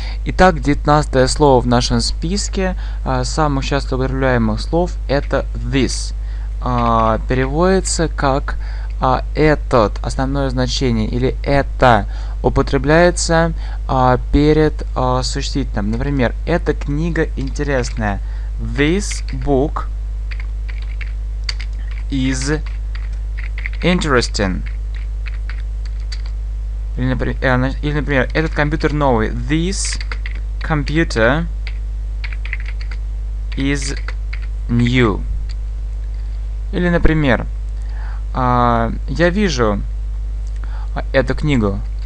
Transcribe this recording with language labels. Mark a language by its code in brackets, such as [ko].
[ru] Итак, 19-е слово в нашем списке самых часто употребляемых слов – это this. Переводится как этот, основное значение, или это употребляется перед существительным. Например, эта книга интересная. [en] This book is interesting. [ru] Или, например, этот компьютер новый. [en] This computer is new. [ru] Или, например, я вижу эту книгу.